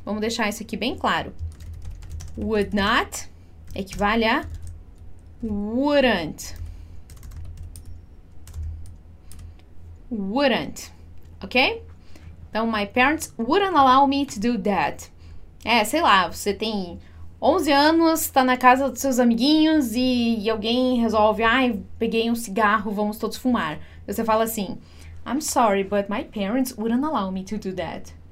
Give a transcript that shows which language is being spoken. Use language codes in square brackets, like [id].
[pt] Vamos deixar isso aqui bem claro. [en] Would not [pt] equivale a [en] wouldn't. Wouldn't, ok? [pt] Então, [en] my parents wouldn't allow me to do that. [pt] É, sei lá, você tem 11 anos, está na casa dos seus amiguinhos e alguém resolve, ai, peguei um cigarro, vamos todos fumar. Você fala assim: [en] I'm sorry, but my parents wouldn't allow me to do that.